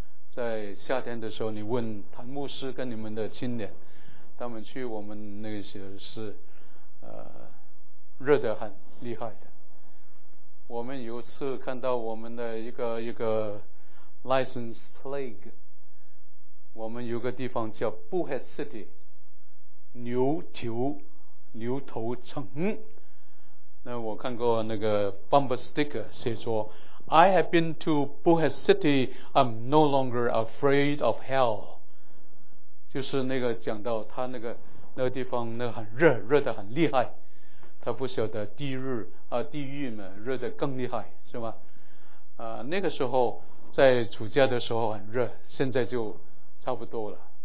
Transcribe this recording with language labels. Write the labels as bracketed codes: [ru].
[zh] 在夏天的时候，你问谭牧师跟你们的青年，他们去我们那些是热得很厉害的。我们有一次看到我们的一个 license plate， 我们有个地方叫 Bullhead City， 牛头城。那我看过那个 bumper sticker 写着 [en] I have been to Bullhead City， I'm no longer afraid of hell。 [zh] 就是那个讲到他那个地方，那很热，热得很厉害，他不晓得地狱嘛，热得更厉害，是吧？那个时候在主家的时候很热，现在就差不多了。